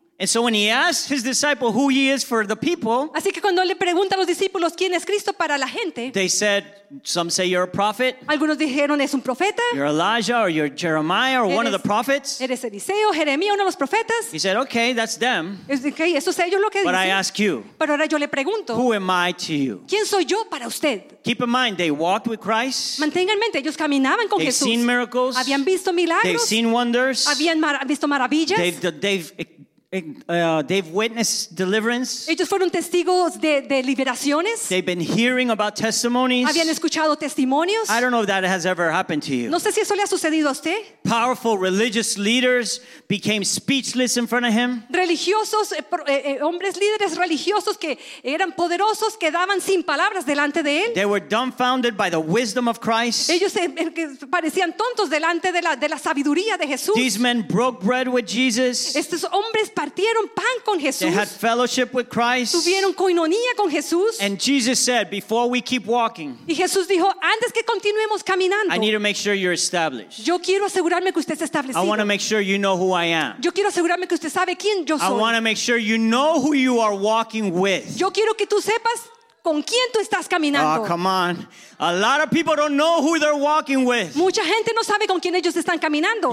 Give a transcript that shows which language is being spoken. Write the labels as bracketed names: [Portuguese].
[English] And so when he asked his disciple who he is for the people, [Spanish] así que cuando le pregunta a los discípulos quién es Cristo para la gente, [English] they said, some say you're a prophet. [Spanish] Algunos dijeron es un profeta. [English] You're Elijah or you're Jeremiah or one of the prophets. [Spanish] Eres Eliseo, Jeremías, uno de los profetas. [English] He said, okay, that's them. [Spanish] Okay, eso es ellos lo que [English] but [Spanish] dicen. [English] I ask you, [Spanish] pero ahora yo le pregunto, [English] who am I to you? [Spanish] ¿Quién soy yo para usted? [English] Keep in mind, they walked with Christ. [Spanish] Mantengan en mente, ellos caminaban con [English] they've [Spanish] Jesús. [English] Seen miracles. [Spanish] Habían visto milagros. [English] They've seen wonders. [Spanish] Habían visto maravillas. [English] They've witnessed deliverance. [Spanish] Ellos fueron testigos de liberaciones. [English] They've been hearing about testimonies. [Spanish] Habían escuchado testimonios. [English] I don't know if that has ever happened to you. [Spanish] No sé si eso le ha sucedido a usted. [English] Powerful religious leaders became speechless in front of him. [Spanish] Religiosos hombres líderes religiosos que eran poderosos quedaban sin palabras delante de él. [English] They were dumbfounded by the wisdom of Christ. [Spanish] Ellos parecían tontos delante de la sabiduría de Jesús. [English] These men broke bread with Jesus. [Spanish] Estos hombres partieron pan con Jesús. [English] They had fellowship with Christ. [Spanish] Tuvieron coinonía con Jesús. [English] And Jesus said, before we keep walking, [Spanish] y Jesús dijo, antes que continuemos caminando, [English] I need to make sure you're established. [Spanish] Yo quiero asegurarme que usted se establecido. [English] I want to make sure you know who I am. [Spanish] Yo quiero asegurarme que usted sabe quién yo soy. [English] I want to make sure you know who you are walking with. [Spanish] Yo quiero que tú sepas ¿Con quién tú estás caminando? [English] Oh, come on. A lot of people don't know who they're walking with. [Spanish] Mucha gente no sabe con quién ellos están caminando.